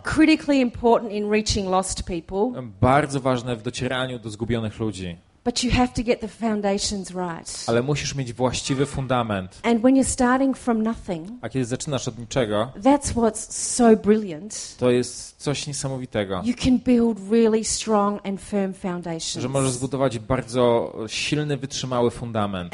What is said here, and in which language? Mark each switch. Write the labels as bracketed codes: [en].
[en] Critically important in reaching lost people. [pl] Bardzo ważne w docieraniu do zgubionych ludzi. [en] But you have to get the foundations right. [pl] Ale musisz mieć właściwy fundament. [en] And when you're starting from nothing, [pl] a kiedy zaczynasz od niczego, [en] that's what's so brilliant. [pl] To jest coś niesamowitego. [en] You can build really strong and firm foundations. [pl] Że możesz zbudować bardzo silny, wytrzymały fundament.